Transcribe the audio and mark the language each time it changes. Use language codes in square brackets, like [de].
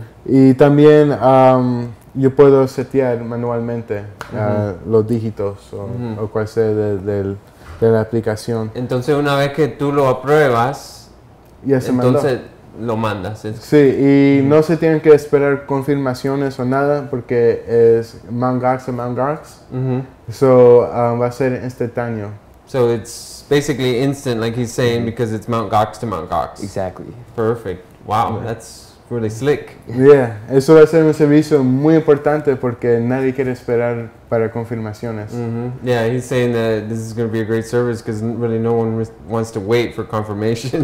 [es] Y también yo puedo setear manualmente los dígitos o cual sea de la aplicación. Entonces una vez que tú lo apruebas, ya se entonces mandó. Lo mandas. Sí, y no se tienen que esperar confirmaciones o nada, porque es Mt. Gox a Mt. Gox. So va a ser instantáneo. [en] So it's basically instant, like he's saying, because it's Mt. Gox to Mt. Gox. Exactly. Perfect. Wow, that's really slick. [es] Yeah, eso va a ser un servicio muy importante porque nadie quiere esperar para confirmaciones. [en] Yeah, he's saying that this is going to be a great service because really no one wants to wait for confirmations.